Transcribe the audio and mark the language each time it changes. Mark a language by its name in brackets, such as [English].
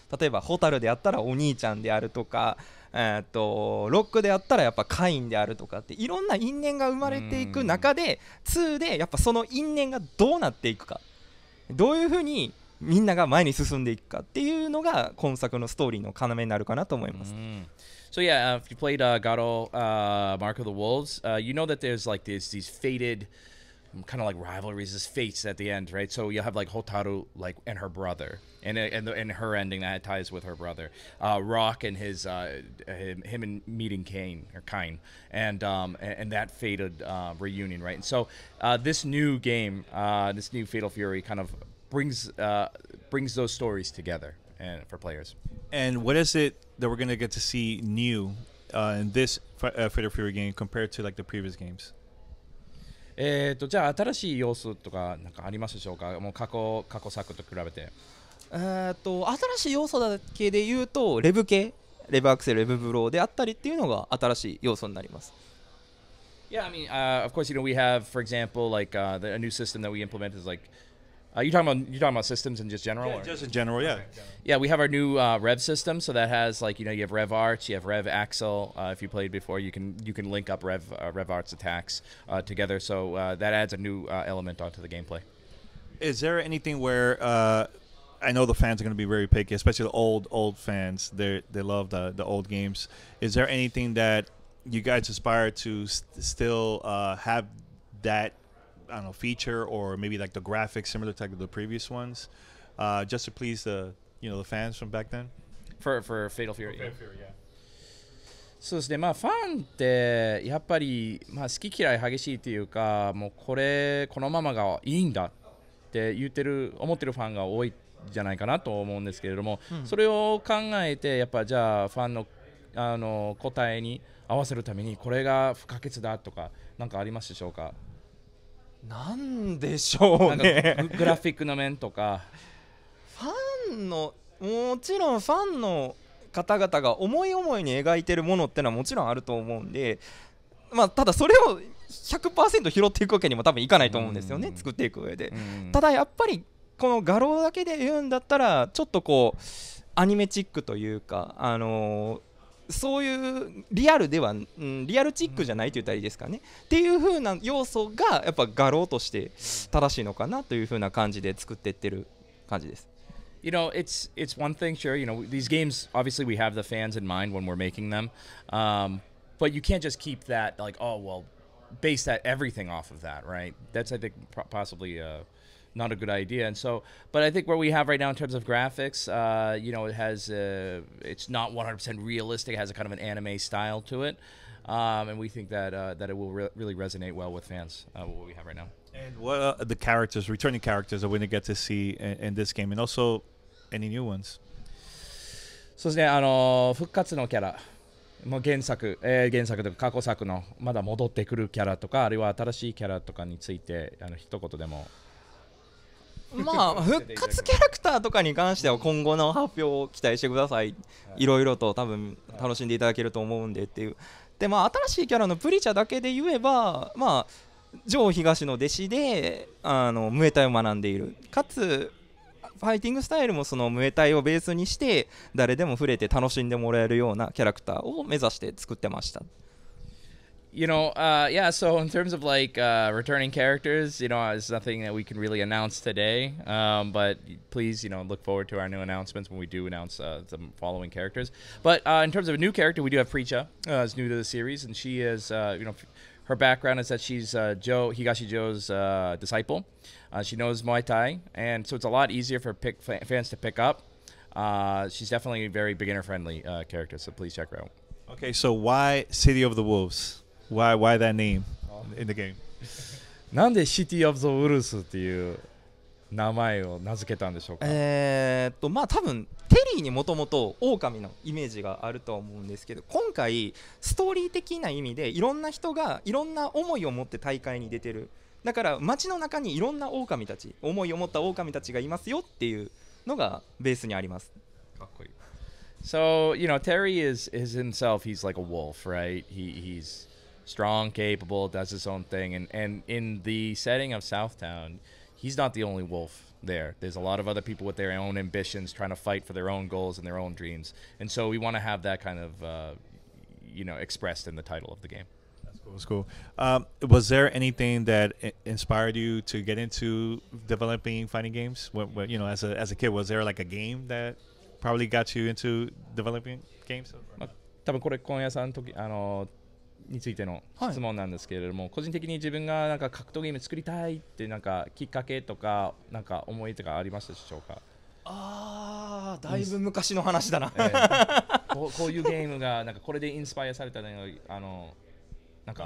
[Japanese] 例えば蛍であったらお兄ちゃんであるとか、ロックであったらやっぱカインであるとかっていろんな因縁が生まれていく中で2でやっぱその因縁がどうなっていくかどういうふうにみんなが前に進んでいくかっていうのが今作のストーリーの要になるかなと思います。 [English] So yeah, if you played Garo, Mark of the Wolves, you know that there's like these fated, kind of like rivalries, these fates at the end, right? So you'll have like Hotaru like and her brother, and her ending that ties with her brother, Rock and his him and meeting Kane or Kain, and that fated reunion, right? And so this new game, this new Fatal Fury, kind of brings those stories together and for players. And what is it that we're going to get to see new in this Fatal Fury game compared to like the previous games? [Japanese] じゃあ新しい要素とかなんかありますでしょうか。もう過去作と比べて。新しい要素だけで言うとレブ系、レブアクセル、レブブローであったりっていうのが新しい要素になります。 [English] Yeah, I mean, of course, you know, we have, for example, like a new system that we implemented is like. You're talking about systems in just general? Yeah, just in general, yeah. Yeah, we have our new Rev system, so that has, like, you know, you have Rev Arts, you have Rev Axel. If you played before, you can link up Rev Arts attacks together, so that adds a new element onto the gameplay. Is there anything where, I know the fans are going to be very picky, especially the old fans, they love the old games. Is there anything that you guys aspire to still have that, I don't know, feature or maybe like the graphics similar to like the previous ones, just to please the, you know, the fans from back then? For Fatal Fury. Fatal Fury, yeah. [Japanese] そうですね、まあ、ファンってやっぱり、まあ、好き嫌い激しいというか、もうこれ、このままがいいんだって言ってる、思ってるファンが多いじゃないかなと思うんですけれども、うん、それを考えてやっぱじゃあファン の, あの答えに合わせるためにこれが不可欠だとか何かありますでしょうか。なんでしょうね。なんかグラフィックの面とかファンのもちろんファンの方々が思い思いに描いてるものってのはもちろんあると思うんで、まあ、ただそれを 100% 拾っていくわけにも多分いかないと思うんですよね、うん、作っていく上で、うん、ただやっぱりこの画廊だけで言うんだったらちょっとこうアニメチックというか、そういうリアルでは、うん、リアルチックじゃないと言ったらいいですかね、うん、っていう風な要素がやっぱ画廊として正しいのかなという風な感じで作っていってる感じです。 [English] You know, it's one thing, sure, you know, these games, obviously we have the fans in mind when we're making them, but you can't just keep that, like, oh, well, base that everything off of that, right? That's, I think, possibly not a good idea. And so, but I think where we have right now in terms of graphics, you know, it has, it's not 100% realistic, it has a kind of an anime style to it, and we think that, that it will really resonate well with fans, what we have right now. And what are the characters, returning characters that we're going to get to see in this game? And also, any new ones? [Japanese] そうですね、復活のキャラ、もう原作、原作とか過去作のまだ戻ってくるキャラとか、あるいは新しいキャラとかについて、一言でも。まあ、復活キャラクターとかに関しては今後の発表を期待してください。いろいろと多分楽しんでいただけると思うんでっていう。で、まあ、新しいキャラのプリチャだけで言えば、まあ、ジョー東の弟子でムエタイを学んでいる、かつファイティングスタイルもそのムエタイをベースにして誰でも触れて楽しんでもらえるようなキャラクターを目指して作ってました。 [English] You know, yeah, so in terms of like returning characters, you know, it's nothing that we can really announce today, but please, you know, look forward to our new announcements when we do announce the following characters. But in terms of a new character, we do have Preacha, who's new to the series, and she is, you know,Her background is that she's Joe, Higashi Joe's disciple. She knows Muay Thai, and so it's a lot easier for fans to pick up. She's definitely a very beginner-friendly character, so please check her out. Okay, so why City of the Wolves? Why that name in the game? [Japanese] なんで City of the Wolves っていう名前を名付けたんでしょうか？まあ多分テリーにもともと狼のイメージがあると思うんですけど、今回ストーリー的な意味でいろんな人がいろんな思いを持って大会に出てる、だから街の中にいろんな狼たち、思いを持った狼たちがいますよっていうのがベースにあります。かっこいい。 [English] So, you know, Terry is himself, he's like a wolf, right? He's strong, capable, does his own thing, and in the setting of Southtown,He's not the only wolf there. There's a lot of other people with their own ambitions trying to fight for their own goals and their own dreams. And so we want to have that kind of, you know, expressed in the title of the game. That's cool. Was there anything that inspired you to get into developing fighting games? When, you know, as a kid, was there like a game that probably got you into developing games? [Japanese] 多分これ今夜さんの時、についての質問なんですけれども、はい、個人的に自分がなんか格闘ゲーム作りたいってなんかきっかけとかなんか思いとかありましたでしょうか。ああ、だいぶ昔の話だな。こういうゲームがなんかこれでインスパイアされたのあのなんか